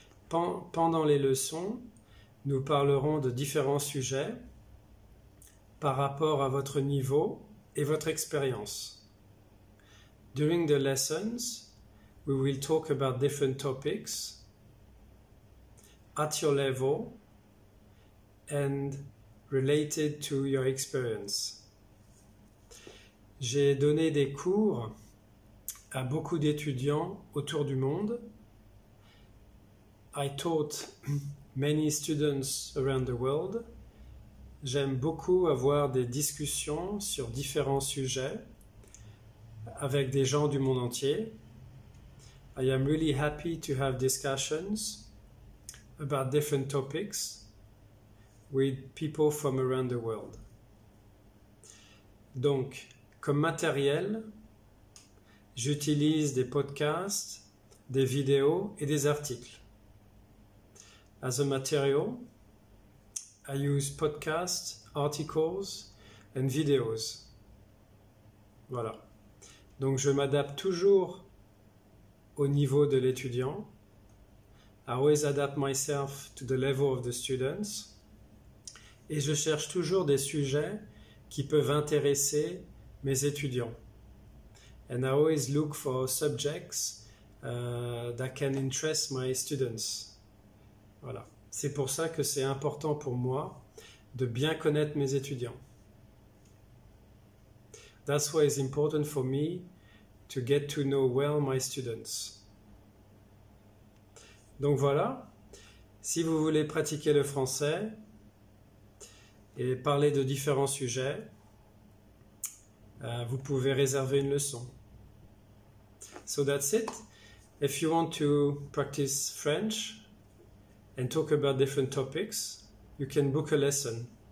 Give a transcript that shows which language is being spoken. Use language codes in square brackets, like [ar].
[fr] Pendant les leçons, nous parlerons de différents sujets par rapport à votre niveau et votre expérience. [en] During the lessons, we will talk about different topics at your level and related to your experience. [fr] J'ai donné des cours à beaucoup d'étudiants autour du monde. [en] I taught many students around the world. [fr] J'aime beaucoup avoir des discussions sur différents sujets avec des gens du monde entier. [en] I am really happy to have discussions about different topics with people from around the world. [fr] Donc, comme matériel, j'utilise des podcasts, des vidéos et des articles. [en] As a material, I use podcasts, articles and videos. Voilà. [fr] Donc, je m'adapte toujours au niveau de l'étudiant. [en] I always adapt myself to the level of the students. [fr] Et je cherche toujours des sujets qui peuvent intéresser mes étudiants. [en] And I always look for subjects that can interest my students. [fr] Voilà. C'est pour ça que c'est important pour moi de bien connaître mes étudiants. [en] That's why it's important for me to get to know well my students. [fr] Donc voilà, si vous voulez pratiquer le français et parler de différents sujets, vous pouvez réserver une leçon. [en] So that's it. If you want to practice French and talk about different topics, you can book a lesson.